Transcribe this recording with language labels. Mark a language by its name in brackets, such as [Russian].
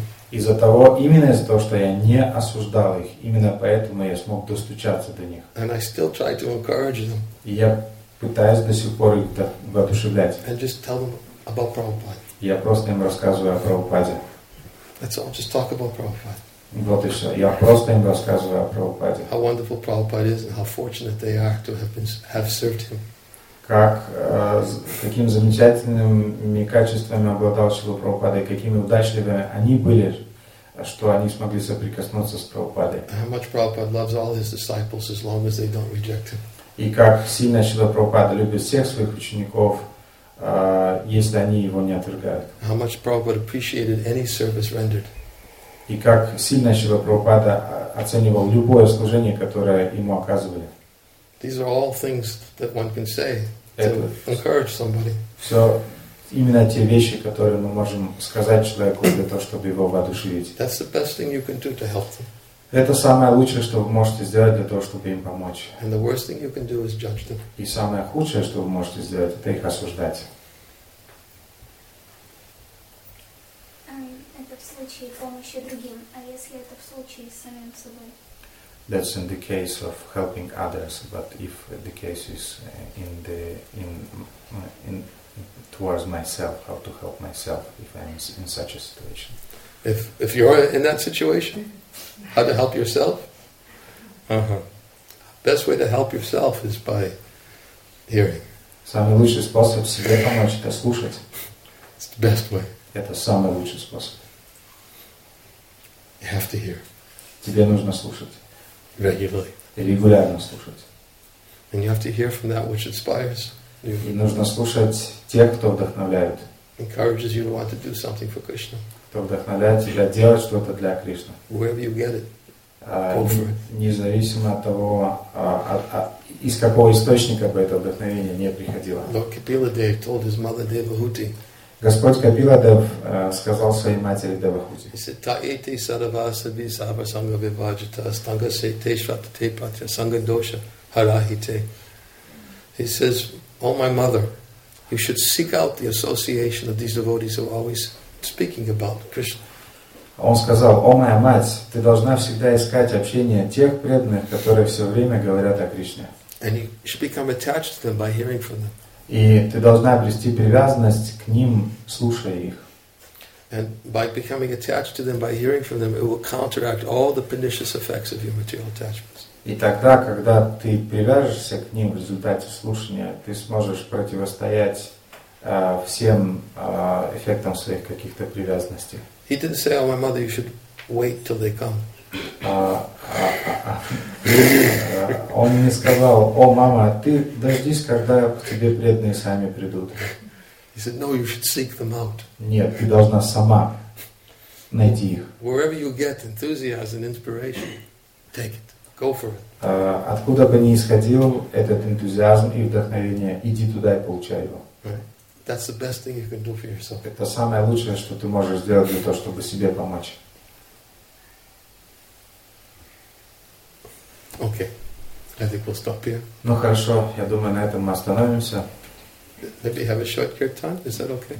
[Russian] Из-за того, именно из-за того, что я не осуждал их, именно поэтому я смог достучаться до них. [English] And I still try to encourage them. [Russian] И я пытаюсь до сих пор их воодушевлять. [English] And just tell them about Prabhupada. [Russian] Я просто им рассказываю о Прабхупаде. [English] That's all. Just talk about Prabhupada. [Russian] Вот и все. Я просто им рассказываю о Прабхупаде. [English] How wonderful Prabhupada is and how fortunate they are to have served him. [Russian] Как каким замечательными качествами обладал Шрила Прабхупада и какими удачливыми они были, что они смогли соприкоснуться с Прабхупадой. [English] How much Prabhupada loves all his disciples as long as they don't reject him. [Russian] И как сильно Шрила Прабхупада любит всех своих учеников, если они его не отвергают. [English] How much Prabhupada appreciated any service rendered. [Russian] И как сильно Шрила Прабхупада оценивал любое служение, которое ему оказывали. [English] These are all things that one can say to encourage somebody. [Russian] Все именно те вещи, которые мы можем сказать человеку для того, чтобы его воодушевить. [English] That's the best thing you can do to help them. [Russian] Это самое лучшее, что вы можете сделать для того, чтобы им помочь. [English] And the worst thing you can do is judge them. [Russian] И самое худшее, что вы можете сделать, это их осуждать. Это в случае помощи другим, а если это в случае с самим собой? [English] That's in the case of helping others, but if the case is in towards myself, how to help myself if I'm in such a situation? If you're in that situation, how to help yourself? Uh-huh. Best way to help yourself is by hearing. [Russian] Самый лучший способ себе помочь — это слушать. [English] It's the best way. [Russian] Это самый лучший способ. [English] You have to hear. [Russian] Тебе нужно слушать. Регулярно слушать. [English] And you have to hear from that which inspires you. [Russian] И нужно слушать тех, кто вдохновляет. [English] Encourages you to want to do something for Krishna. [Russian] Кто вдохновляет тебя делать что-то для Кришны. [English] Wherever you get it, go for it. [Russian] Независимо от того, из какого источника бы это вдохновение не приходило. [English] Lord Kapila Dev told his mother Devahuti. [Russian] Господь Капиладев сказал своей матери Девахути. [English] He said, [Sanskrit] Таите Саравасы Висава Санга Виваджита Астанга Сейте Шваттате Патья Санга Доша Харахите. [English] He says, O my mother, you should seek out the association of these devotees who are always speaking about Krishna. [Russian] Он сказал, О моя мать, ты должна всегда искать общение тех преданных, которые все время говорят о Кришне. [English] And you should become attached to them by hearing from them. [Russian] И ты должна обрести привязанность к ним, слушая их. [English] And by becoming attached to them, by hearing from them, it will counteract all the pernicious effects of your material attachments. [Russian] И тогда, когда ты привяжешься к ним в результате слушания, ты сможешь противостоять всем эффектам своих каких-то привязанностей. [English] He didn't say, "Oh, my mother, you should wait till they come." [Russian] Он мне сказал, о, мама, ты дождись, когда к тебе преданные сами придут. [English] He said, no, you should seek them out. [Russian] Нет, ты должна сама найти их. [English] Wherever you get enthusiasm and inspiration, take it, go for it. [Russian] Откуда бы ни исходил этот энтузиазм и вдохновение, иди туда и получай его. [English] Right. That's the best thing you can do for yourself. [Russian] Это самое лучшее, что ты можешь сделать для того, чтобы себе помочь. [English] Okay, I think we'll stop here. [Russian] Ну хорошо, я думаю, на этом мы остановимся. [English] Maybe have a short kirtan, is that okay?